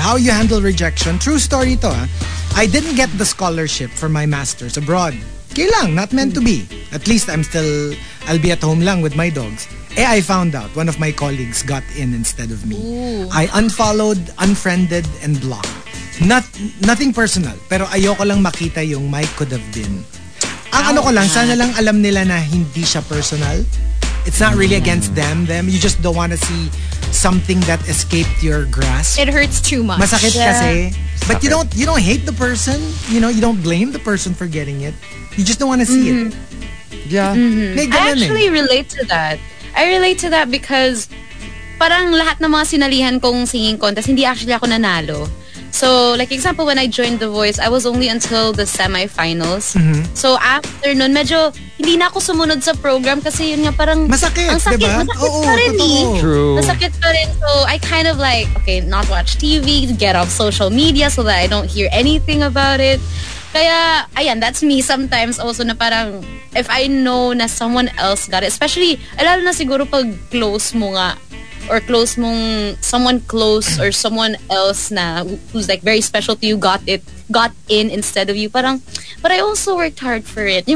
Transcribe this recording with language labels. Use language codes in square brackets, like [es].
[en] How you handle rejection. True story to. Ha? I didn't get the scholarship for my master's abroad. Kailang, not meant to be. At least I'm still... I'll be at home lang with my dogs. Eh, I found out one of my colleagues got in instead of me. Ooh. I unfollowed, unfriended, and blocked. Nothing personal, pero ayoko lang makita yung my could have been. [tl] Ang ano ko lang, sana lang alam nila na hindi siya personal. [en] It's not really against them. You just don't want to see something that escaped your grasp. It hurts too much. [tl] Masakit kasi. [en] But you don't hate the person. You know, you don't blame the person for getting it. You just don't want to see it. Yeah. Mm-hmm. I actually relate to that. I relate to that because parang lahat ng mga sinalihan kong singing contest, hindi actually ako nanalo. So, like example, when I joined The Voice, I was only until the semifinals. Mm-hmm. [tl] So, after nun, medyo hindi na ako sumunod sa program kasi yun nga parang... Masakit, ang sakit, diba? Masakit pa rin ni. [en] True. [tl] Masakit pa rin. [en] So, I kind of like, okay, not watch TV, get off social media so that I don't hear anything about it. Kaya, ayan, that's me sometimes also na parang if I know na someone else got it, especially, alam na siguro pag close mo nga, or close mong someone close or someone else na who's like very special to you got in instead of you, parang but I also worked hard for it,